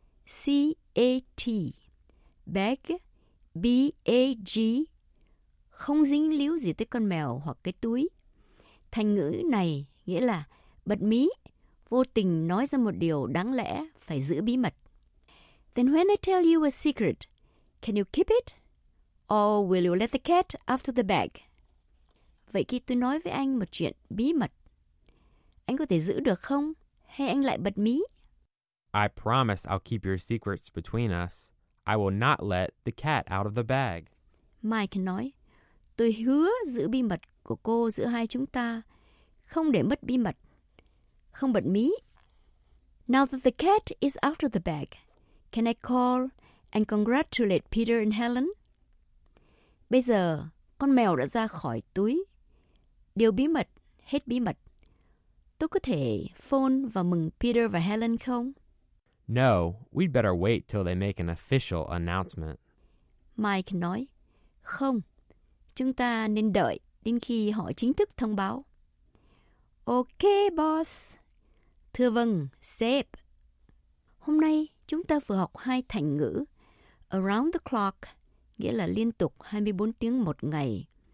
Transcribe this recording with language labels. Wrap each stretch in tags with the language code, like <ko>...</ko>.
<vi>C-A-T, bag, B-A-G, không dính líu gì tới con mèo hoặc cái túi. Thành ngữ này nghĩa là bật mí, vô tình nói ra một điều đáng lẽ phải giữ bí mật.</vi> <en>Then when I tell you a secret, can you keep it? Or will you let the cat after the bag?</en> <vi>Vậy khi tôi nói với anh một chuyện bí mật, anh có thể giữ được không? Hay anh lại bật mí?</vi> <en>I promise I'll keep your secrets between us. I will not let the cat out of the bag.</en> <vi>Mike nói, tôi hứa giữ bí mật của cô giữa hai chúng ta, không để mất bí mật, không bật mí.</vi> <en>Now that the cat is out of the bag, can I call and congratulate Peter and Helen?</en> <vi>Bây giờ, con mèo đã ra khỏi túi. Điều bí mật, hết bí mật. Tôi có thể phone và mừng Peter và Helen không?</vi> <en>No, we'd better wait till they make an official announcement.</en> <vi>Mike nói, không, chúng ta nên đợi đến khi họ chính thức thông báo.</vi> <en>Ok, boss.</en> <vi>Thưa vâng, sếp. Hôm nay, chúng ta vừa học hai thành ngữ.</vi> <en>Around the clock,</en> <vi>nghĩa là liên tục 24 tiếng một ngày.</vi>